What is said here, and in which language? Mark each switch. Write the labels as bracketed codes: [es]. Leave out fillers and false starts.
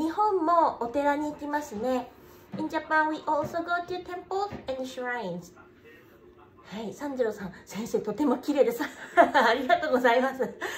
[ja] 日本もお寺に行きますね。 [en] In Japan we also go to temples and shrines. [ja] はい、サンジロさん、先生とても綺麗です。ありがとうございます。